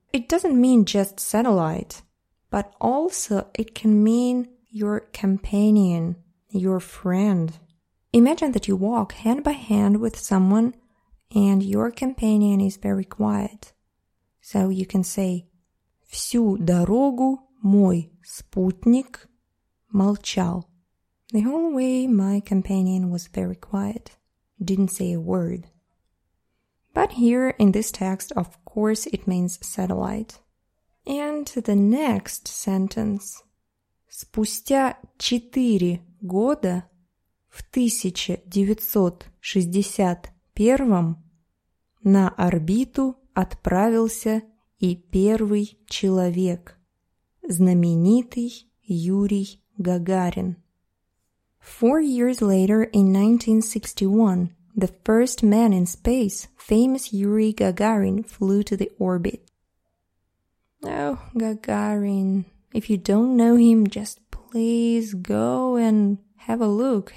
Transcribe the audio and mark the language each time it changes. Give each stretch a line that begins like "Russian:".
English: It doesn't mean just satellite, but also it can mean your companion, your friend. Imagine that you walk hand by hand with someone and your companion is very quiet. So you can say
Russian: всю дорогу мой спутник молчал.
English: The whole way my companion was very quiet, didn't say a word. But here in this text, of course, it means satellite. And the next sentence.
Russian: Спустя 4 года, в 1961, на орбиту отправился и первый человек, знаменитый Юрий Гагарин.
English: 4 years later, in 1961, the first man in space, famous Yuri Gagarin, flew to the orbit. Oh, Gagarin. If you don't know him, just please go and have a look.